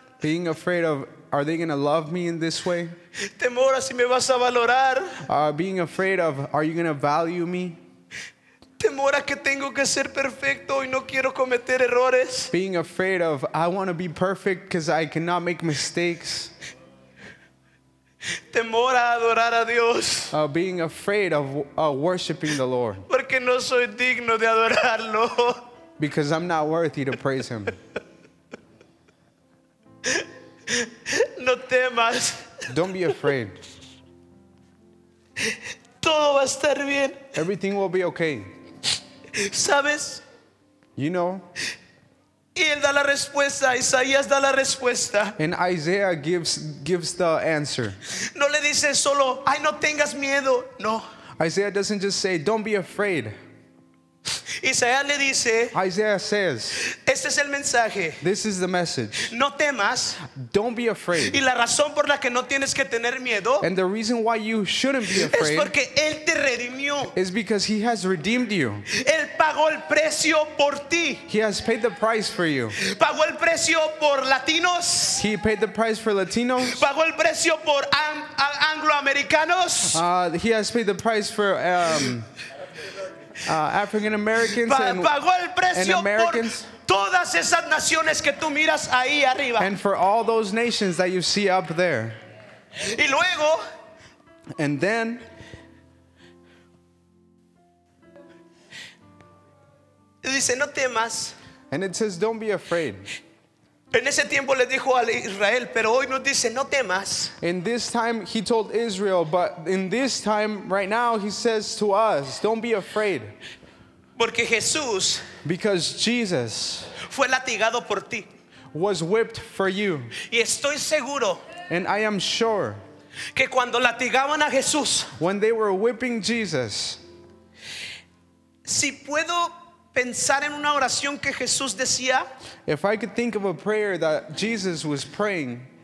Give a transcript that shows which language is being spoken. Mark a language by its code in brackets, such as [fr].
[en] Being afraid of, are they going to love me in this way? [es] Temor a si me vas a valorar. [en] Being afraid of, are you going to value me? [es] Temor a que tengo que ser perfecto y no quiero cometer errores. [en] Being afraid of, I want to be perfect because I cannot make mistakes. [es] Temor a adorar a Dios. [en] Being afraid of worshiping the Lord. [es] Porque no soy digno de adorarlo. [en] Because I'm not worthy to praise him. [es] No temas. [en] Don't be afraid. [es] Todo va a estar bien. [en] Everything will be okay. [es] ¿Sabes? [en] You know. [es] Y él da la respuesta. Isaías da la respuesta. [en] And Isaiah gives the answer. [es] No le dice solo, ay, no tengas miedo. No. [en] Isaiah doesn't just say, don't be afraid. [es] Isaías le dice, [en] Isaiah says, [es] este es el mensaje. [en] This is the message. [es] No temas. [en] Don't be afraid. [es] Y la razón por la que no tienes que tener miedo, [en] and the reason why you shouldn't be afraid, [es] es porque él te redimió. [en] Is because he has redeemed you. [es] Él pagó el precio por ti. [en] He has paid the price for you. [es] Pagó el precio por Latinos. [en] He paid the price for Latinos. [es] Pagó el precio por Angloamericanos. [en] He has paid the price for African Americans and Americans, [es] todas esas naciones que tú miras ahí arriba, [en] and for all those nations that you see up there. [es] Y luego, [en] and then [es] dice, no temas. [en] And it says, don't be afraid. [es] En ese tiempo le dijo a Israel, pero hoy nos dice, no temas. [en] In this time he told Israel, but in this time right now he says to us, don't be afraid. [es] Porque Jesús, [en] because Jesus, [es] fue latigado por ti, [en] was whipped for you. [es] Y estoy seguro, [en] and I am sure, [es] que cuando latigaban a Jesús, [en] when they were whipping Jesus, [es] si puedo pensar en una oración que Jesús decía, [en] if I could think of a prayer that Jesus was praying,